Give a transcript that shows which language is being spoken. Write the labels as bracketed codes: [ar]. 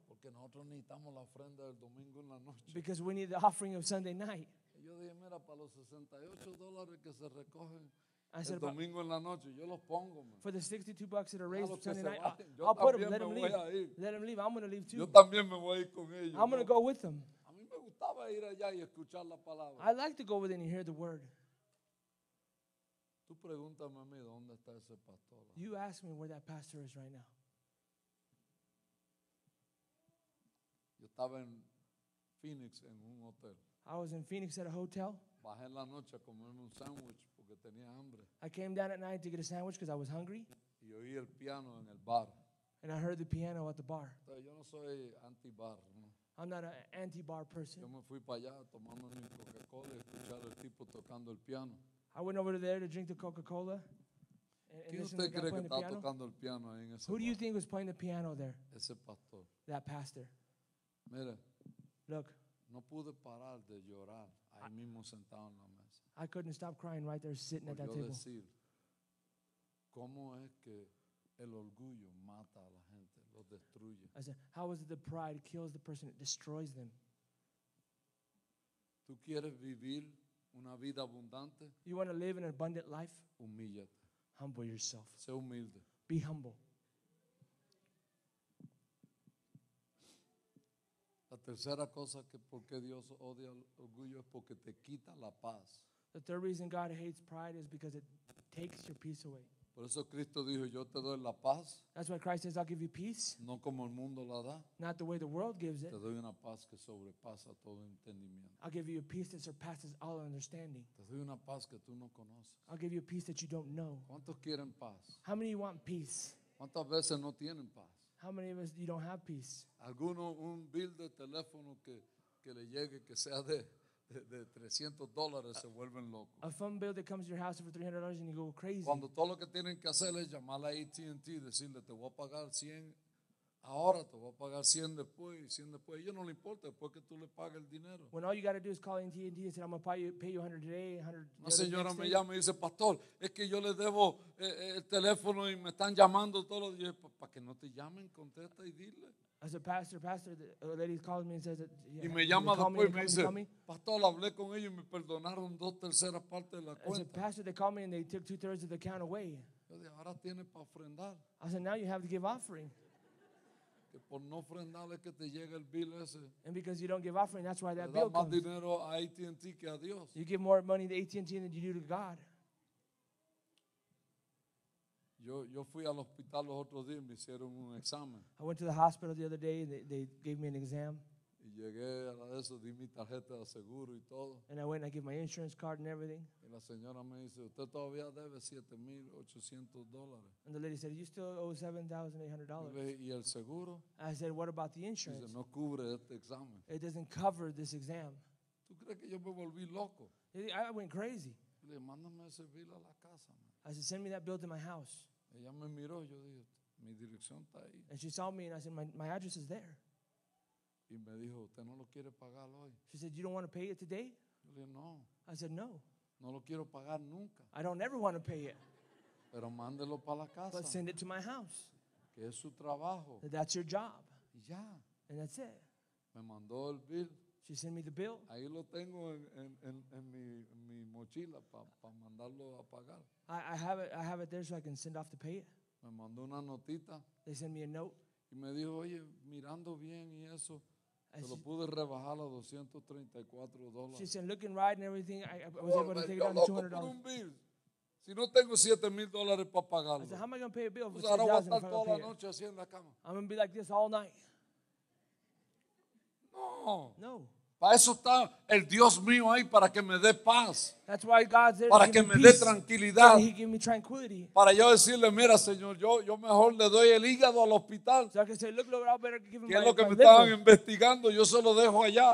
[es] Porque nosotros necesitamos la ofrenda del domingo en la noche. [en] Because we need the offering of Sunday night. [es] Yo dije, mira, para los $68 que se recogen el domingo en la noche, yo los pongo, man. [en] For the $62 that are raised Sunday night, I'll put them, let them leave. I'm going to leave too. [es] Yo también me voy a ir con ellos. [en] I'm going to go with them. [es] A mí me gustaba ir allá y escuchar la palabra. [en] I like to go with them and hear the word. [es] Tú pregúntame a mí, ¿dónde está ese pastor? [en] You ask me where that pastor is right now. [es] Yo estaba en Phoenix en un hotel. [en] I was in Phoenix at a hotel. [es] Bajé la noche a comerme un sandwich porque tenía hambre. [en] I came down at night to get a sandwich because I was hungry. [es] Y oí el piano en el bar. [en] And I heard the piano at the bar. [es] Yo no soy anti-bar, ¿no? [en] I'm not an anti-bar person. [es] Yo me fui para allá tomando mi Coca-Cola y escuchar al tipo tocando el piano. [en] I went over there to drink the Coca-Cola and [es] ¿Quién usted cree que estaba tocando el piano ahí en ese [en] Who do you think was playing the piano there? [es] Ese pastor. [en] That pastor. [es] Mira. [en] Look. [es] No pude parar de llorar ahí mismo sentado en la mesa. [en] I couldn't stop crying right there sitting at that table. [es] Quiero decir, ¿cómo es que el orgullo mata a la gente, lo destruye? [en] I said, how is it the pride kills the person, it destroys them? [es] ¿Tú quieres vivir una vida abundante? [en] You want to live an abundant life? [es] Humíllate. [en] Humble yourself. [es] Sé humilde. [en] Be humble. [es] La tercera cosa que por qué Dios odia el orgullo es porque te quita la paz. [en] The third reason God hates pride is because it takes your peace away. [es] Por eso Cristo dijo, yo te doy la paz. [en] That's why Christ says, I'll give you peace. [es] No como el mundo la da. [en] Not the way the world gives it. [es] Te doy una paz que sobrepasa todo entendimiento. [en] I'll give you a peace that surpasses all understanding. [es] Te doy una paz que tú no conoces. [en] I'll give you a peace that you don't know. [es] ¿Cuántos quieren paz? [en] How many want peace? [es] ¿Cuántas veces no tienen paz? [en] How many of us, you don't have peace? [es] Alguno un bill de teléfono que le llegue que sea de... De $300 se vuelven locos. [en] A phone bill that comes to your house for $300 and you go crazy. [es] Cuando todo lo que tienen que hacer es llamar a AT&T y decirle te voy a pagar 100 ahora, te voy a pagar 100 después y 100 después. Yo no le importa después que tú le pagues el dinero. [en] When all you got to do is call AT&T and say I'm going to pay you $100 today, $100. [es] La señora me llama y dice, pastor, es que yo le debo el teléfono y me están llamando todos los días. Para que no te llamen, contesta y dile. [en] As a pastor, the lady calls me and says, that, yeah, [es] y me llama después y me dice, pastor, hablé con ellos y me perdonaron dos terceras partes de la cuenta. [en] As a pastor, they call me and they took 2/3 of the account away. [es] Yo dije, ahora tienes para ofrendar. [en] I said, now you have to give offering. [es] Que por no ofrendar es que te llega el bill ese. [en] And because you don't give offering, that's why that bill comes. [es] Le da más dinero a AT&T que a Dios. [en] You give more money to AT&T than you do to God. [es] Yo fui al hospital los otros días y me hicieron un examen. [en] I went to the hospital the other day and they gave me an exam. [es] Y llegué a eso, di mi tarjeta de seguro y todo. [en] And I went and I gave my insurance card and everything. [es] Y la señora me dice, usted todavía debe $7,800. [en] And the lady said, you still owe $7,800. [es] Y el seguro. [en] I said, what about the insurance? [es] Dice, no cubre este examen. [en] It doesn't cover this exam. [es] ¿Tú crees que yo me volví loco? [en] I went crazy. [es] Le mándame ese bill a la casa. [en] I said, send me that bill to my house. [es] Ella me miró, yo dije, mi dirección está ahí. [en] And she saw me and I said, my address is there. [es] Y me dijo, usted no lo quiere pagar hoy. [en] She said, you don't want to pay it today? [es] Yo le dije, no. [en] I said, no. [es] No lo quiero pagar nunca. [en] I don't ever want to pay it. [es] Pero mándelo para la casa. [en] But send it to my house. [es] Que es su trabajo. [en] That's your job. [es] Ya. [en] And that's it. [es] Me mandó el bill. [en] She sent me the bill. [es] Ahí lo tengo en mi mochila pa mandarlo a pagar. [en] I have it there so I can send off to pay it. [es] Me mandó una notita. [en] They sent me a note. [es] Y me dijo, oye, mirando bien y eso, te lo pude rebajar a $234. [en] She said, looking right and everything, I was able to take it down to $200. [es] Si no tengo $7,000 para pagarlo. [en] I said, how am I going to pay a bill for $7,000 if I don't pay it? I'm going to be like this all night. [es] No. Para eso está el Dios mío ahí para que me dé paz. [en] That's why God's there. [es] Para que me dé tranquilidad. [en] So he give me tranquility. [es] Para yo decirle, mira, Señor, yo mejor le doy el hígado al hospital. [en] So I can say, look, Lord, I better give him [es] que es lo que me estaban investigando, yo se lo dejo allá.